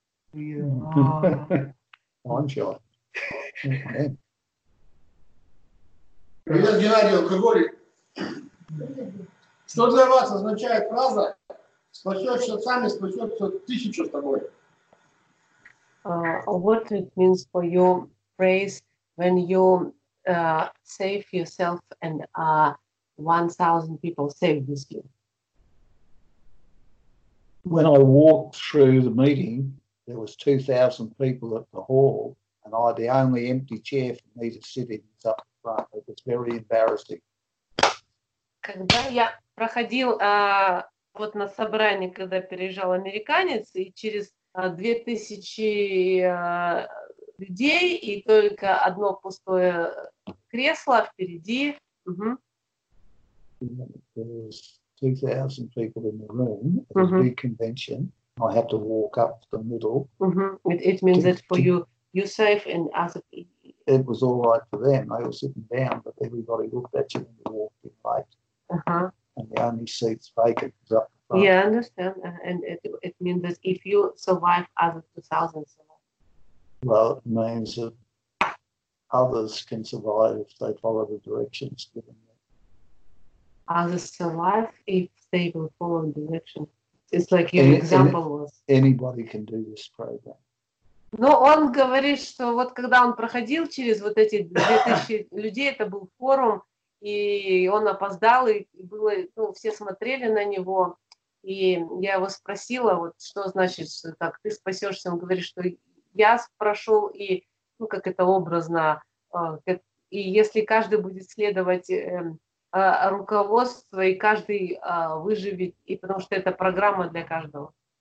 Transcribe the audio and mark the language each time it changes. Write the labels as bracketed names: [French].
[Russian] Привет, Геннадий, алкоголик. Что для вас означает фраза «спасешься сами, спасется тысячу с тобой»? [English] What it means for your phrase when you save yourself and 1,000 people save with you? When I walked through the meeting, there was 2,000 people at the hall, and I had the only empty chair for me to sit in up front. It was very embarrassing. [Russian] Когда я проходил вот на собрании, когда переезжал американец, и через 2000 людей и только одно пустое кресло впереди. [English] There's 2,000 people in the room at a big convention. I had to walk up the middle. It means that for you safe and other people. It was all right for them. They were sitting down, but everybody looked at you when you walked in late. And the only seats vacant was up. But yeah, I understand. And it means that if you survive other 2,000, well, it means that others can survive if they follow the directions given. Others survive if they will follow the directions. It's like your example was. Anybody can do this program. [Russian] Но он говорит, что вот когда он проходил через вот эти 2000 людей, это был форум, и он опоздал, и было, ну, все смотрели на него, и я его спросила, вот что значит, что так, ты спасешься, он говорит, что я прошел, и, ну, как это образно, и если каждый будет следовать руководству, и каждый выживет, и потому что это программа для каждого.